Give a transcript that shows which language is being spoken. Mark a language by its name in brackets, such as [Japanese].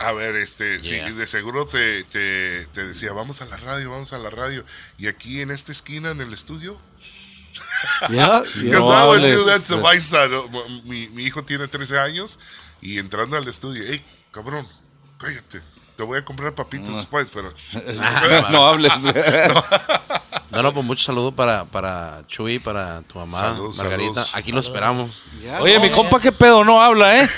[Spanish] A ver, sí, de seguro te decía, vamos a la radio, vamos a la radio. Y aquí en esta esquina, en el estudio. [English] Yeah. Because I would do that to my son. [Spanish] Mi hijo tiene 13 años y entrando al estudio, hey, cabrón, cállate. Te voy a comprar papitas después, pero. No hables. No, pues mucho saludo para Chuy, para tu mamá, saludos, Margarita. Saludos. Aquí lo esperamos. Yeah, oye, mi compa, qué pedo, no habla, ¿eh?